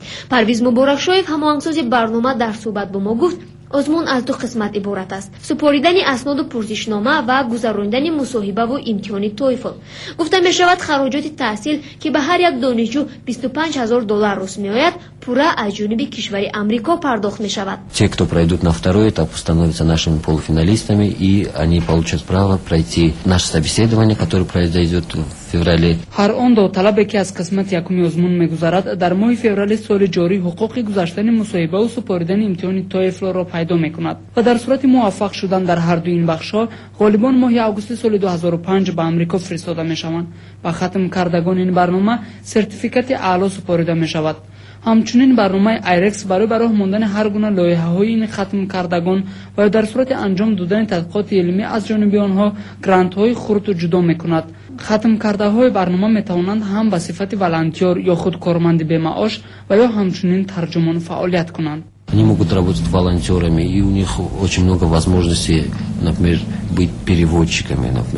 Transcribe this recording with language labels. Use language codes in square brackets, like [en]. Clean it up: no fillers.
[fa] پرویز مبارکشایف هماهنگساز برنامه در صحبت با ما گفت آزمون از دو قسمت عبارت است: سپاریدن اسناد و پرسشنامه و گذراندن مصاحبه و امتحان تویفل. گفته می شود خراجات تحصیل که به هر یک دانشجو 25000 دلار روس می آید پورا از جانب کشور آمریکا پرداخت می شود. [ru] Те, кто пройдут на второй этап, становятся нашими полуфиналистами и они получат право пройти наше собеседование, которое произойдет в феврале. [fa] هر آن طلبه که از قسمت یکم آزمون میگذرد در ماه فوریه سال جاری حقوق گذشتن مصاحبه و سپاریدن امتحان تویفل را پیدا میکند و در صورت موفق شدن در هر دو این بخش ها غالبان ماه آگوست سال 2005 به آمریکا فرستاده میشوند. با ختم کردگان این برنامه سرتیفیکت اعلی سپاریده میشود. همچنین برنامه ایرکس برای براه موندن هر گونه لایحه های این ختم کردگان و در صورت انجام دادن تحقیقات علمی از جانب آنها گرانت های خرد و جدا میکند. ختم کرده های برنامه میتوانند هم به صفت ولنتیر یا خود کارمند بی معاش و یا همچنین ترجمان فعالیت کنند. [ru] Они могут работать волонтерами, и у них очень много возможностей, например, быть переводчиками.